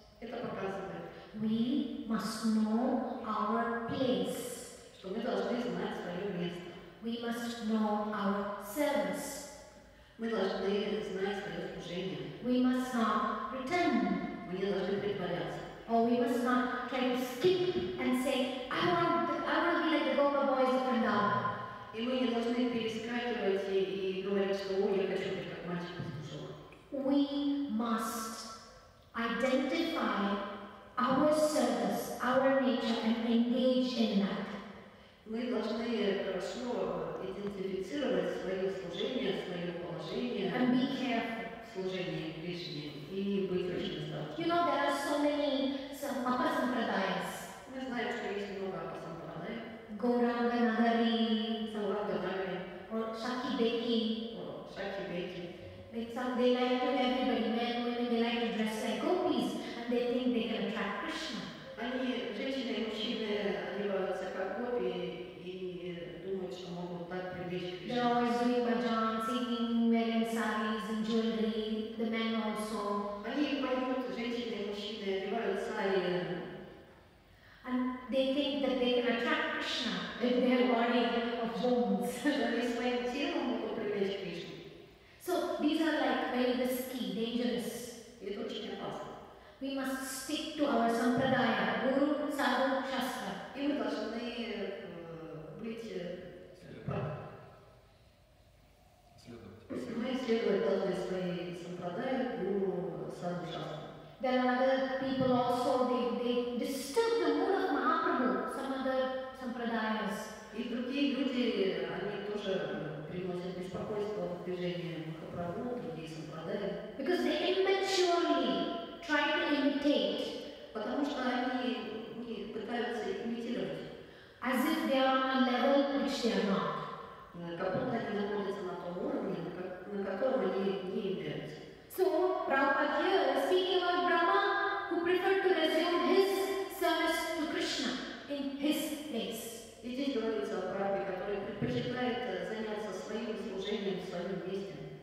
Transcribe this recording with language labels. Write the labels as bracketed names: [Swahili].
[Russian] Это показывает. [English] We must know our place. [Russian] Что мы должны знать свое место. [English] We must know our service. [Russian] Мы должны знать свое служение. [English] We must not pretend. [Russian] Мы не должны притворяться. [English] Or we must not try to skip and say, I want to be like the Gopa boys of Vrindavan. [Russian] И мы не должны перескакивать и говорить, что о, я хочу быть как мальчик из Бушова. [English] We must identify our service, our nature, and engage in that. [Russian] Мы должны хорошо идентифицировать свое служение, свое положение. [English] And be careful. [Russian] Служение Кришне и быть очень осторожным. [English] You know, there are so many апасампрадайс. [Russian] Мы знаем, что есть много апасампрадай. Гоуранга Нагари. Сауранга Нагари. Шакхи Бекхи. Шакхи Бекхи. [English] They like to everybody, men, women, they like to dress like gopis, and they think they can attract Krishna. [Russian] Они, женщины и мужчины, одеваются как гопи и думают, что могут так привлечь Кришну. [English] They're always doing bhajan, singing, wearing saris and jewelry, the men also. [Russian] Они поют, женщины и мужчины одевают сари. [English] And they think that they can attract Krishna with their body of bones. [Russian] Они своим телом могут привлечь Кришну. [English] So these are like very risky, dangerous. [Russian] Это очень опасно. [English] We must stick to our sampradaya, guru, sadhu, shastra. [Russian] И мы должны быть следовать. Мы следовать должны свои сампрадая, гуру, садху, шастра. [English] There are other people also, they disturb the mood of Mahaprabhu, some other sampradayas. [Russian] И другие люди, они тоже приносят беспокойство в движение Махапрабху, другие сампрадая. [English] Because they immaturely try to imitate. [Russian] Потому что они пытаются имитировать. [English] As if they are on a level which they are not. [Russian] Как будто они находятся на том уровне, на котором они не являются. [English] So, Prabhupada here, speaking of Brahma, who preferred to resume his service to Krishna in his place. [Russian] И здесь говорится о Брахме, который предпочитает заняться своим служением в своем месте.